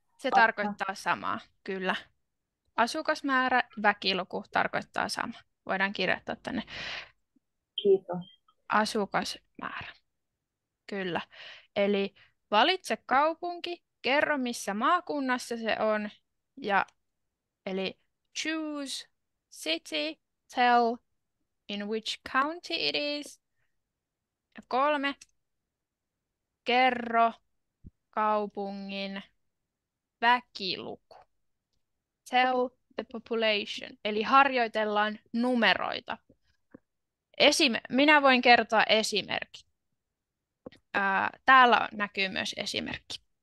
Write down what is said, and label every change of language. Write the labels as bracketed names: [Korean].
[Finnish] Se tarkoittaa samaa, kyllä. Asukasmäärä, väkiluku tarkoittaa sama. Voidaan kirjoittaa tänne. Kiitos. Asukasmäärä. Kyllä. Eli valitse kaupunki, kerro missä maakunnassa se on. Ja, eli [English] choose city, tell in which county it is. [Finnish] Ja kolme, kerro kaupungin väkiluku. [English] Tell the population. [Finnish] Eli harjoitellaan numeroita. Minä voin kertoa esimerkki. Täällä näkyy myös esimerkki.